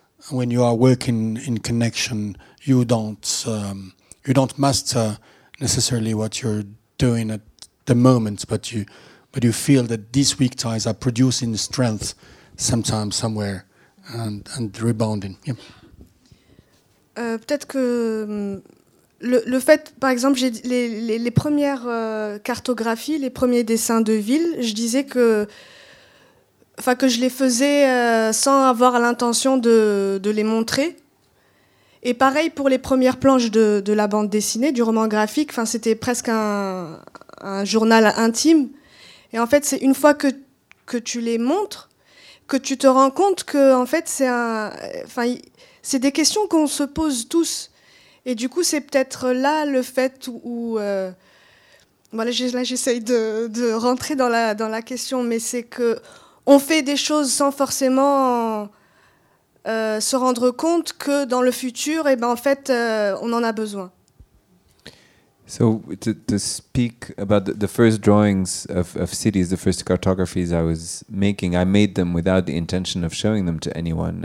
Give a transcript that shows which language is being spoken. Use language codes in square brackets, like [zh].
[en] When you are working in connection, you don't master necessarily what you're doing at the moment, but you feel that these weak ties are producing strength sometimes somewhere and rebounding. Yeah. [fr] Peut-être que le fait, par exemple, j'ai les premières cartographies, les premiers dessins de ville, je disais que, enfin, que je les faisais sans avoir l'intention de les montrer. Et pareil pour les premières planches de la bande dessinée, du roman graphique, enfin, c'était presque un journal intime. Et en fait, c'est une fois que tu les montres, que tu te rends compte que, en fait, c'est un... Enfin, c'est des questions qu'on se pose tous. Et du coup, c'est peut-être là le fait où... voilà, j'essaye de rentrer dans la question, mais c'est qu'on fait des choses sans forcément se rendre compte que dans le futur, eh ben, en fait, on en a besoin. [en] So to speak about the first drawings of cities, the first cartographies I was making, I made them without the intention of showing them to anyone.